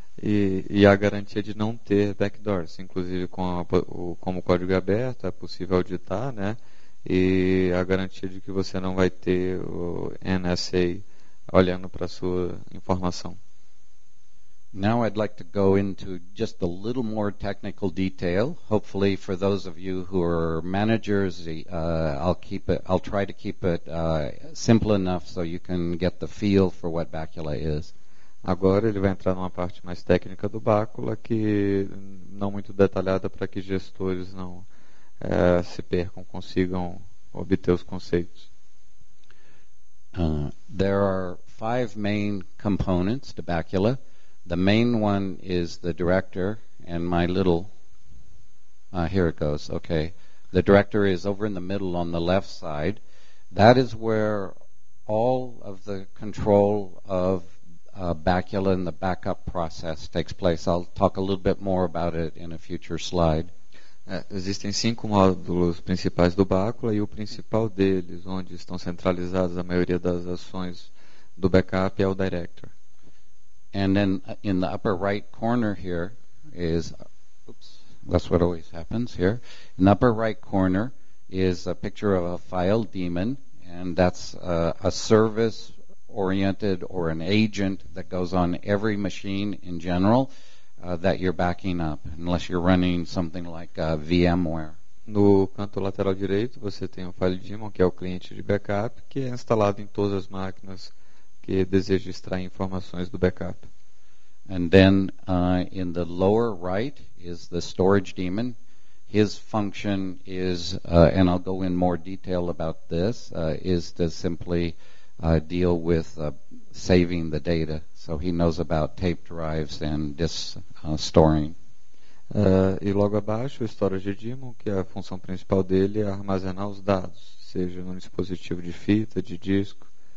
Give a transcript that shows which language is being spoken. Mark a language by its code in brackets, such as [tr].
[pt] E a garantia de não ter backdoors, inclusive como código aberto, é possível auditar, né? E a garantia de que você não vai ter o NSA olhando para sua informação. [en] Now I'd like to go into just a little more technical detail. Hopefully for those of you who are managers, I'll try to keep it simple enough so you can get the feel for what Bacula is. [pt] Agora ele vai entrar numa parte mais técnica do Bacula, que não muito detalhada, para que gestores não se percam, consigam obter os conceitos. [en] There are five main components to Bacula. The main one is the director, and my little, here it goes, okay. The director is over in the middle on the left side. That is where all of the control of Bacula and the backup process takes place. I'll talk a little bit more about it in a future slide. [pt] Existem cinco módulos principais do Bacula, e o principal deles, onde estão centralizadas a maioria das ações do backup, é o director. [en] And then in the upper right corner here is, oops, that's what always happens here. In the upper right corner is a picture of a file daemon, and that's a service-oriented or an agent that goes on every machine in general that you're backing up, unless you're running something like VMware. [pt] No canto lateral direito, você tem o file daemon, que é o cliente de backup, que é instalado em todas as máquinas que deseja extrair informações do backup. [en] And then in the lower right is the storage daemon. His function is, and I'll go in more detail about this, is to simply deal with saving the data. So he knows about tape drives and disk storing. [pt] E logo abaixo, o storage daemon, que a função principal dele é armazenar os dados, seja num dispositivo de fita, de disco.